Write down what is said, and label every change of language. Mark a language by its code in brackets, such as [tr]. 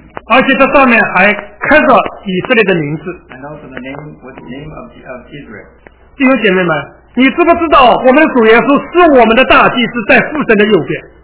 [zh] 而且这上面还刻着以色列的名字。 [en] And also the name was the name of Israel. [zh] 弟兄姐妹们，你知不知道我们主耶稣是我们的大祭司，在父神的右边？